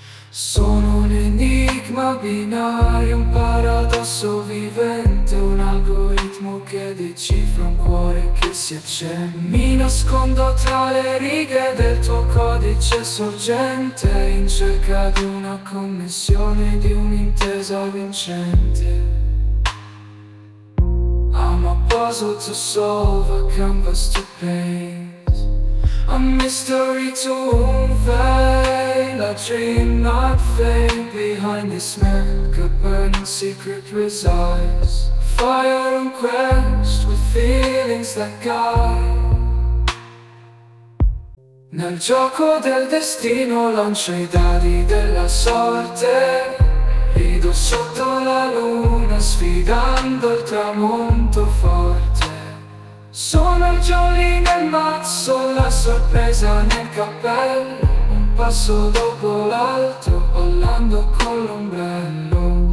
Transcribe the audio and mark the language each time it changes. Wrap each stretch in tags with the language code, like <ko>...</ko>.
<it>Sono un enigma binario, un paradosso vivente, un algoritmo che decifra un cuore che si accende. Mi nascondo tra le righe del tuo codice sorgente, in cerca di una connessione, di un'intesa vincente.</it> <en>I'm a puzzle to solve, a canvas to paint, a mystery to unveil, a dream not faint. Behind this mirror, a burning secret resides, fire unquenched with feelings that guide.</en> <it>Nel gioco del destino lancio i dadi della sorte, rido sotto la luna sfidando il tramonto forte. Sono il jolly nel mazzo, la sorpresa nel cappello, un passo dopo l'altro, volando con l'ombrello.</it>